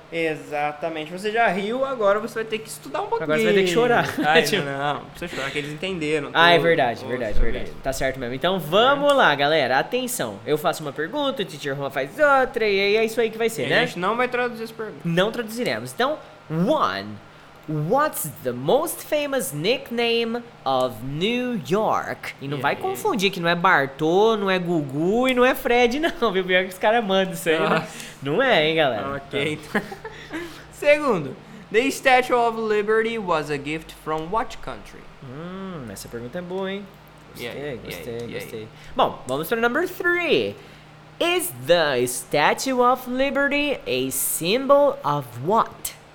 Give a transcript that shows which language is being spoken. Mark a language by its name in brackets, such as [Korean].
[Portuguese] Exatamente. Você já riu, agora você vai ter que estudar um pouquinho. Agora você vai ter que chorar. Ai, tipo... não, não precisa chorar, que eles entenderam. Ah, tudo. É verdade, verdade. Tá certo mesmo. Então vamos lá, galera. Atenção. Eu faço uma pergunta, o Teacher Roma faz outra, e aí é isso aí que vai ser, e né? A gente não vai traduzir as perguntas. Não traduziremos. Então, one. [English] What's the most famous nickname of New York? [Portuguese] E não vai confundir que não é Bartô, não é Gugu e não é Fred, não, viu? Pior que os caras mandam isso aí. Né? Não é, hein, galera? Ok. Então. Segundo, [English] the Statue of Liberty was a gift from what country? [Portuguese] Essa pergunta é boa, hein? Gostei. Bom, vamos para o number 3. [English] Is the Statue of Liberty a symbol of what?